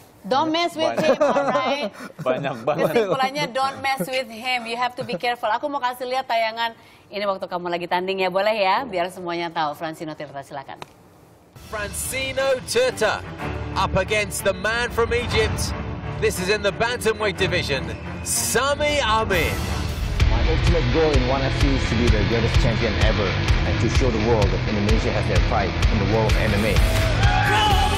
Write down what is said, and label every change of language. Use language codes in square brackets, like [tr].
[en] Don't mess with him, alright? [id] Banyak banget. Kesimpulannya [en] don't mess with him. You have to be careful. [id] Aku mau kasih lihat tayangan ini waktu kamu lagi tanding ya, boleh ya? Biar semuanya tahu. Francino Tirta, silakan. [en] Francino Tirta up against the man from Egypt. This is in the bantamweight division. Sami Amin. My ultimate goal in ONE FC is to be the greatest champion ever and to show the world that Indonesia has their fight in the world of MMA.